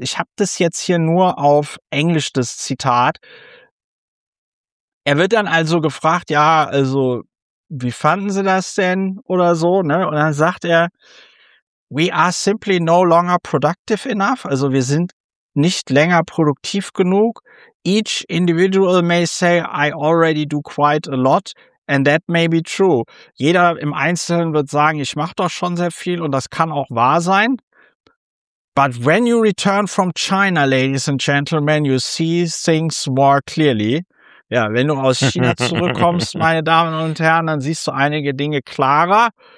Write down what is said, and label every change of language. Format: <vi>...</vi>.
<de>Ich habe das jetzt hier nur auf Englisch, das Zitat. Er wird dann also gefragt, ja, also wie fanden Sie das denn oder so, ne? Und dann sagt er,</de> <en>we are simply no longer productive enough.</en> <de>Also wir sind nicht länger produktiv genug.</de> <en>Each individual may say, I already do quite a lot. And that may be true.</en> <de>Jeder im Einzelnen wird sagen, ich mache doch schon sehr viel und das kann auch wahr sein.</de> <en>But when you return from China, ladies and gentlemen, you see things more clearly.</en> <de>Ja, wenn du aus China zurückkommst, meine Damen und Herren, dann siehst du einige Dinge klarer.</de>